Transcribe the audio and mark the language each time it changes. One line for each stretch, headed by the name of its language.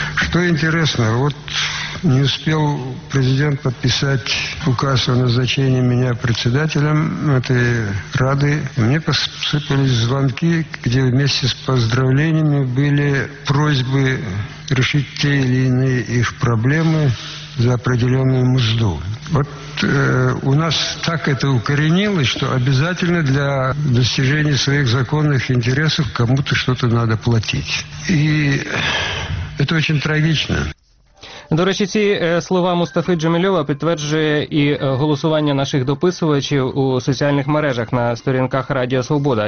Ukrainian: Що інтересно, от не встиг президент підписати указ о назначенні мене председателем цієї ради. Мені посипались дзвінки, де вместе з поздравленнями були просьби вирішити ті чи інші їх проблеми.
Russian: за определенную мзду. Вот у нас так это укоренилось, что обязательно для достижения своих законных интересов кому-то что-то надо платить. И это очень трагично.
Ukrainian: До речі, ці слова Мустафи Джемільова підтверджує і голосування наших дописувачів у соціальних мережах на сторінках Радіо Свобода.